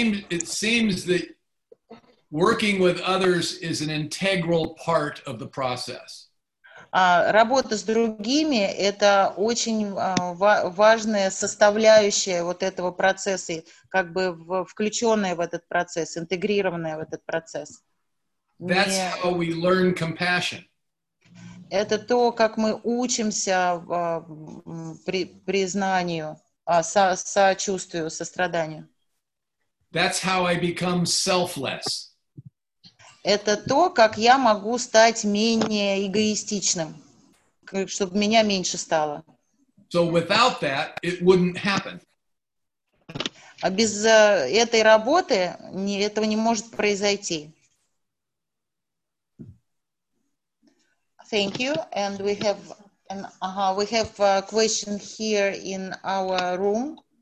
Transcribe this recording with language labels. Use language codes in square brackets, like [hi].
[en] It seems that working with others is an integral part of the process. [ru] Работа с другими – это очень важная составляющая вот этого процесса, как бы включенная в этот процесс, интегрированная в этот процесс. [en] That's how we learn compassion. [ru] Это то, как мы учимся признанию, сочувствию, состраданию. [en] That's how I become selfless. [ru] Это то, как я могу стать менее эгоистичным, чтобы меня меньше стало. [en] So without that, it wouldn't happen. [ru] А без этой работы этого не может произойти. [en] Thank you. And we have a question here in our room.